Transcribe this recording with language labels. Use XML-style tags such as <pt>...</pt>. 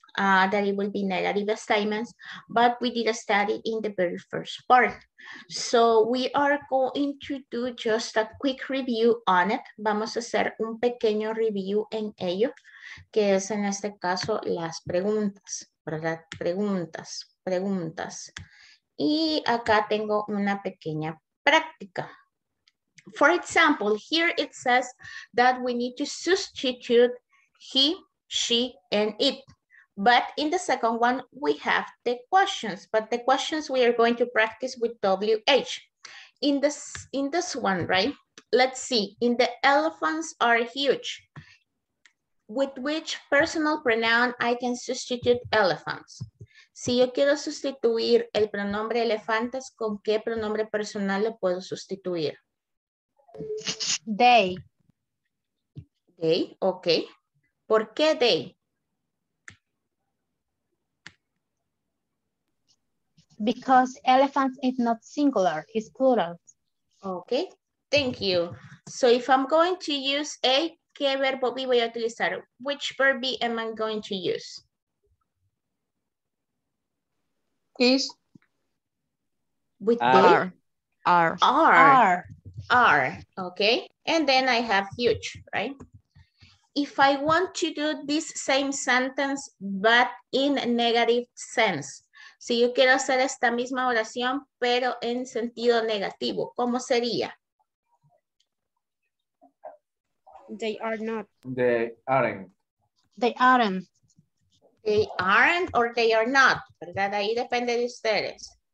<en>That it will be negative statements, but we did a study in the very first part. So we are going to do just a quick review on it.</en> <es>Vamos a hacer un pequeño review en ello, que es en este caso las preguntas, ¿verdad? Preguntas, preguntas. Y acá tengo una pequeña práctica.</es> <en>For example, here it says that we need to substitute he, she, and it. But in the second one, we have the questions. But the questions we are going to practice with WH. In this one, right? Let's see. In the elephants are huge. With which personal pronoun I can substitute elephants?</en> <es>Si yo quiero sustituir el pronombre elefantes, ¿con qué pronombre personal lo puedo sustituir?</es> <en>They. They, okay.</en> <es>¿Por qué</es> <en>they? Because elephants is not singular, it's plural. Okay, thank you. So if I'm going to use a,</en> <es>¿qué verbo B voy a utilizar?</es> <en>Which verb B am I going to use? Is. With R. Okay. And then I have huge, right? If I want to do this same sentence, but in a negative sense.</en> <es>Si yo quiero hacer esta misma oración, pero en sentido negativo, ¿cómo sería?</es> <en>They are not. They aren't. They aren't. They aren't or they are not,</en> <es>¿verdad? Ahí depende de ustedes.</es>